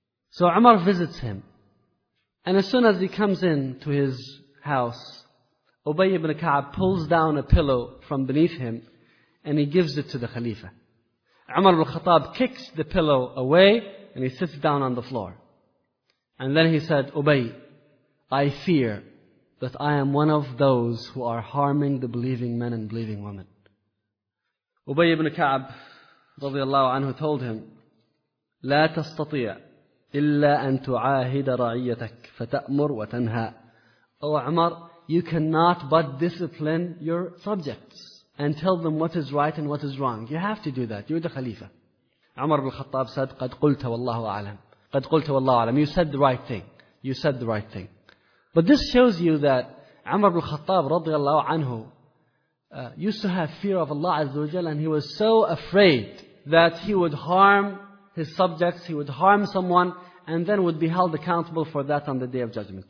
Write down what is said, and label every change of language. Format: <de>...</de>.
<en>So Umar visits him. And as soon as he comes in to his house, Ubay ibn Ka'b pulls down a pillow from beneath him, and he gives it to the Khalifa. Umar ibn al-Khattab kicks the pillow away, and he sits down on the floor. And then he said, Ubay, I fear that I am one of those who are harming the believing men and believing women.</en> <ar>Ubay ibn Ka'b, radiallahu anhu,</ar> <en>told him,</en> <ar>لا تستطيع إلا أن تعاهد رعيتك فتأمر وتنهى.</ar> <en>Oh Umar, you cannot but discipline your subjects and tell them what is right and what is wrong. You have to do that. You're the Khalifa.</en> <ar>Umar ibn al-Khattab</ar> <en>said,</en> <ar>قد قلت والله أعلم. قد قلت والله أعلم.</ar> <en>You said the right thing. You said the right thing. But this shows you that Umar ibn al-Khattab</en> <ar>رضي الله عنه</ar> <en>used to have fear of Allah Azza wa Jal, and he was so afraid that he would harm his subjects, he would harm someone, and then would be held accountable for that on the Day of Judgment.</en>